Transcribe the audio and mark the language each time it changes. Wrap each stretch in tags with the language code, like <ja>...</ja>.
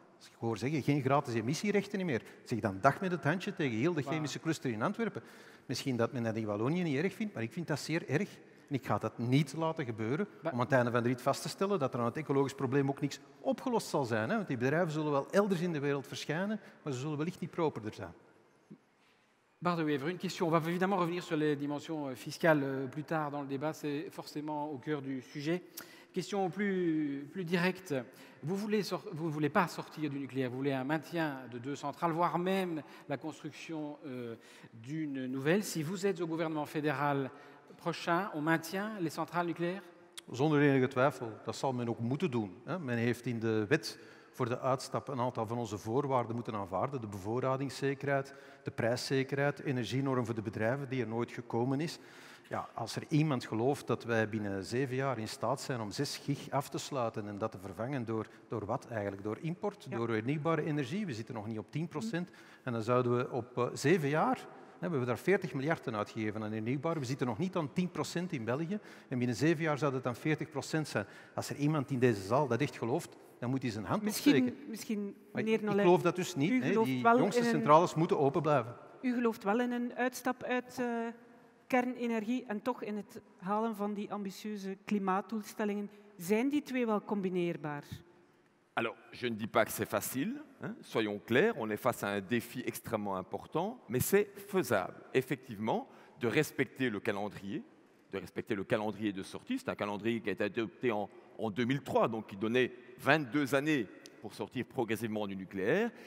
<nl>Als ik hoor zeggen, geen gratis emissierechten meer. Zeg dan dag met het handje tegen heel de chemische cluster in Antwerpen. Misschien dat men dat in Wallonië niet erg vindt, maar ik vind dat zeer erg. En ik ga dat niet laten gebeuren om aan het einde van de rit vast te stellen dat er aan het ecologisch probleem ook niks opgelost zal zijn. Hè? Want die bedrijven zullen wel elders in de wereld verschijnen, maar ze zullen wellicht niet properder zijn.</nl> <fr>Bart de Wever, une question. On va évidemment revenir sur les dimensions fiscales plus tard dans le débat. C'est forcément au cœur du sujet. Question plus directe. Vous voulez pas sortir du nucléaire. Vous voulez un maintien de deux centrales, voire même la construction d'une nouvelle. Si vous êtes au gouvernement fédéral prochain, on maintient les centrales nucléaires?</fr> <nl>Zonder enige twijfel. Dat zal men ook moeten doen. Men heeft in de wet voor de uitstap een aantal van onze voorwaarden moeten aanvaarden. De bevoorradingszekerheid, de prijszekerheid, energienorm voor de bedrijven die er nooit gekomen is. Ja, als er iemand gelooft dat wij binnen 7 jaar in staat zijn om 6 gig af te sluiten en dat te vervangen door wat eigenlijk? Door import, ja. Door hernieuwbare energie. We zitten nog niet op 10%. En dan zouden we op 7 jaar, hebben we daar 40 miljard aan uitgegeven aan hernieuwbare. We zitten nog niet aan 10% in België. En binnen 7 jaar zou dat dan 40% zijn. Als er iemand in deze zaal dat echt gelooft, dan moet hij zijn hand opsteken. Misschien, meneer Nolet. Ik geloof dat dus niet. Die jongste centrales moeten open blijven. U gelooft wel in een uitstap uit kernenergie en toch in het halen van die ambitieuze klimaatdoelstellingen. Zijn die twee wel combineerbaar?</nl> <fr>Alors, je ne dis pas que c'est facile, hein. Soyons clairs, on est face à un défi extrêmement important, mais c'est faisable, effectivement, de respecter le calendrier, de respecter le calendrier de sortie. C'est un calendrier qui a été adopté en 2003, donc qui donnait 22 années pour sortir progressivement du nucléaire.</fr>